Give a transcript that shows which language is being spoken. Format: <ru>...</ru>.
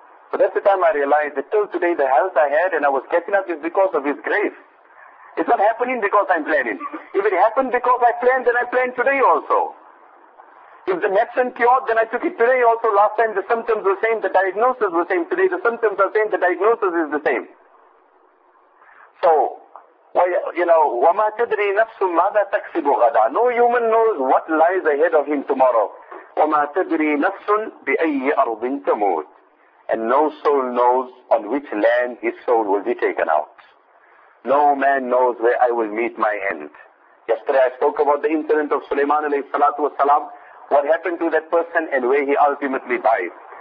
<en>But that's the time I realized that till today the health I had and I was catching up is because of His grace. It's not happening because I'm planning. If it happened because I planned, then I planned today also. If the medicine cured, then I took it today also. Last time the symptoms were same, the diagnosis was same. Today the symptoms are same, the diagnosis is the same. So, you know,</en> <ar>وَمَا تَدْرِي نَفْسٌ مَاذَا تَكْسِبُ غَدًا.</ar> <en>No human knows what lies ahead of him tomorrow.</en> <ar>وَمَا تَدْرِي نَفْسٌ بِأَيِّ أَرْضٍ تَمُوتٍ.</ar> <en>And no soul knows on which land his soul will be taken out. No man knows where I will meet my end. Yesterday I spoke about the incident of Sulaiman alayhi salatu wasalam, what happened to that person and where he ultimately died.</en>